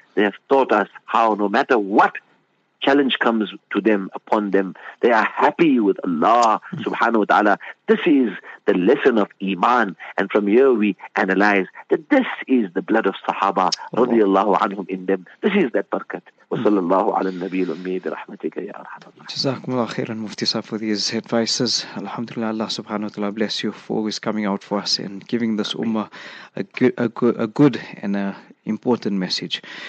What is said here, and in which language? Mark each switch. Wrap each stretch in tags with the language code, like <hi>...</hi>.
<en>They have taught us how no matter what challenge comes to them, upon them, they are happy with Allah subhanahu wa ta'ala. This is the lesson of Iman. And from here we analyze that this is the blood of Sahaba radiallahu anhum in them. This is that barakat.</en> <ar>وصلى الله على النبي الأمي برحمتك يا أرحم الراحمين. جزاكم الله خيرا مفتي صاحب</ar> <en>for these advices.</en> <ar>الحمد لله الله سبحانه وتعالى</ar> <en>bless you for always coming out for us and giving this ummah a good and a important message.</en>